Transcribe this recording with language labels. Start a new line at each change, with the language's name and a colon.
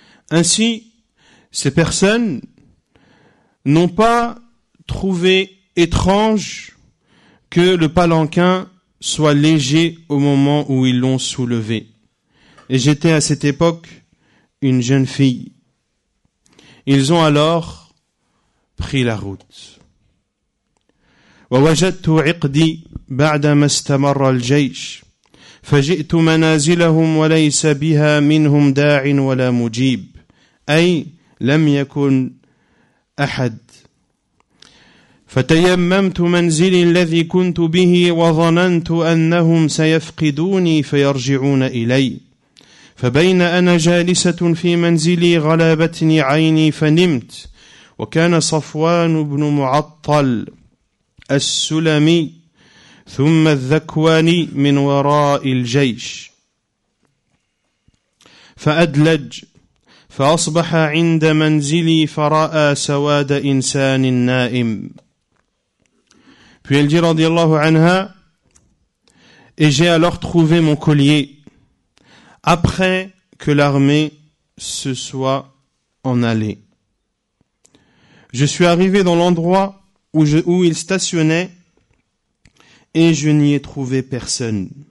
French: Ainsi, ces personnes n'ont pas trouvé étrange que le palanquin soit léger au moment où ils l'ont soulevé. Et j'étais à cette époque une jeune fille. Ils ont alors pris la route.
Arabic: ووجدت عقدي بعدما استمر الجيش فجئت منازلهم وليس بها منهم داع ولا مجيب أي لم يكن أحد فتيممت منزلي الذي كنت به وظننت أنهم سيفقدوني فيرجعون إلي فبين أنا جالسة في منزلي غلبتني عيني فنمت وكان صفوان بن معطل السلمي ثم الذكواني من وراء الجيش فأدلج فأصبح عند منزلي فرأى سواد إنسان نائم.
French: Puis elle dit radiallahu anha, et j'ai alors trouvé mon collier après que l'armée se soit en allée. Je suis arrivé dans l'endroit où il stationnait et je n'y ai trouvé personne.